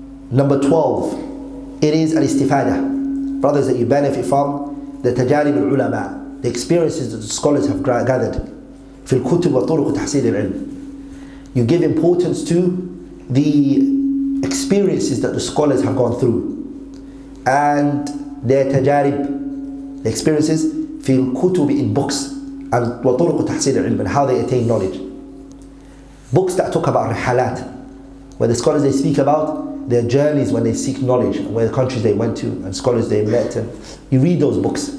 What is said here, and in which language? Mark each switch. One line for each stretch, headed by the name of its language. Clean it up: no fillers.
English: Number 12, it is al-istifada, brothers, that you benefit from the tajarib al-ulama, the experiences that the scholars have gathered.
Arabic: في الكتب وطرق تحصيل العلم.
English: You give importance to the experiences that the scholars have gone through and their تجارب, the experiences
Arabic: في الكتب,
English: in books, and
Arabic: وطرق تحصيل العلم,
English: and how they attain knowledge. Books that talk about رحلات, where the scholars, they speak about their journeys when they seek knowledge, where the countries they went to and scholars they met, and you read those books.